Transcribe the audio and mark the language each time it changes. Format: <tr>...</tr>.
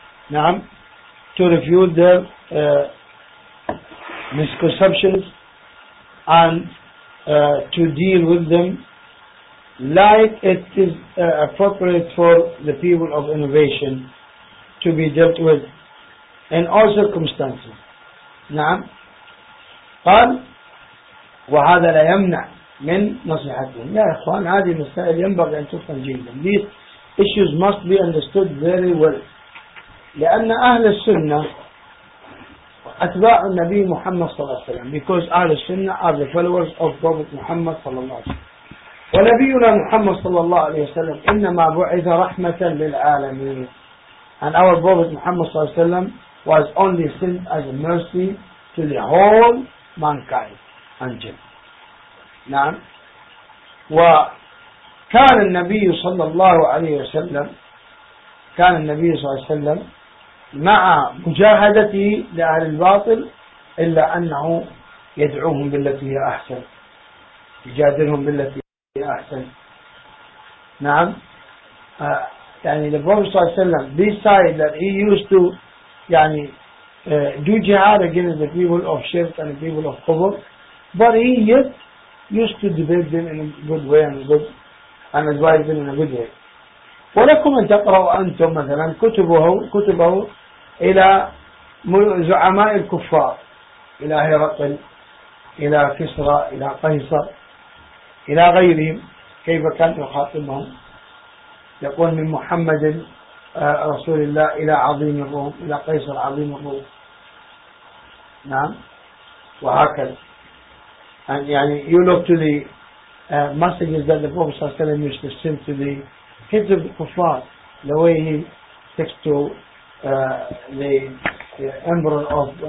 <en>نعم to refute their misconceptions and to deal with them like it is appropriate for the people of innovation to be dealt with in all circumstances.</en> <ar>نعم قال وهذا لا يمنع من نصيحتهم. يا إخوان هذه مسائل ينبغي أن تفهم جيدا.</ar> <en>These issues must be understood very well.</en> <ar>لأن أهل السنة أتباع النبي محمد صلى الله عليه وسلم.</ar> <en>Because أهل السنة are the followers of Prophet Muhammad صلى الله عليه وسلم.</en> <ar>ونبينا محمد صلى الله عليه وسلم إنما بعث رحمة للعالمين.</ar> <en>And our Prophet Muhammad صلى الله عليه وسلم was only sent as a mercy to the whole mankind and jinn.</en> <ar>نعم وكان النبي صلى الله عليه وسلم كان النبي صلى الله عليه وسلم مع مجاهدته لأهل الباطل إلا أنه يدعوهم بالتي هي أحسن يجادلهم بالتي هي أحسن. نعم يعني النبي صلى الله عليه وسلم</ar> <en>besides that he used to يعني do jihad against the people of shirk and the people of kufr, but he yet used to debate them in a good way and good and advise them in a good way.</en> <ar>ولكم أن تقرأوا أنتم مثلا كتبه إلى زعماء الكفار إلى هرقل إلى كسرى إلى قيصر إلى غيرهم كيف كان يخاطبهم. يقول من محمد رسول الله إلى عظيم الروم إلى قيصر عظيم الروم. نعم وهكذا.</ar> <en>And يعني you look to the messages that the Prophet صلى الله عليه وسلم used to send to the heads of the kuffar, the way he takes to the emperor of</en>